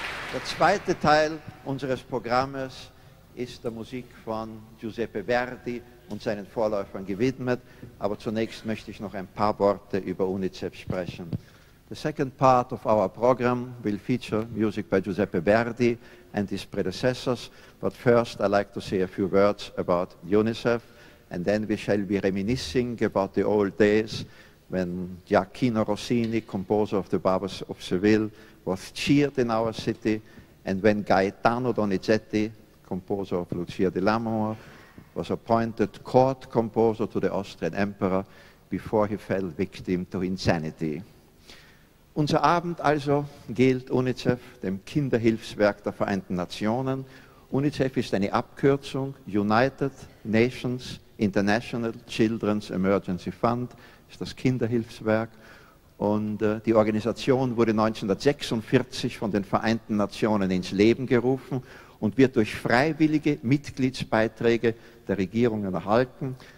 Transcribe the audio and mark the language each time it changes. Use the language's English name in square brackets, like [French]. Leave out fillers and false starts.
[German] Der zweite Teil unseres Programmes ist der Musik von Giuseppe Verdi und seinen Vorläufern gewidmet. Aber zunächst möchte ich noch ein paar Worte über UNICEF sprechen. [English] The second part of our program will feature music by Giuseppe Verdi and his predecessors. But first, I'd like to say a few words about UNICEF. And then we shall be reminiscing about the old days when Gioachino Rossini, composer of the Barbers of Seville, was cheered in our city, and when Gaetano Donizetti, composer of Lucia di Lammermoor, was appointed court composer to the Austrian Emperor before he fell victim to insanity. [German] Unser Abend also gilt UNICEF, dem Kinderhilfswerk der Vereinten Nationen. UNICEF ist eine Abkürzung, United Nations International Children's Emergency Fund, ist das Kinderhilfswerk. Und die Organisation wurde 1946 von den Vereinten Nationen ins Leben gerufen und wird durch freiwillige Mitgliedsbeiträge der Regierungen erhalten.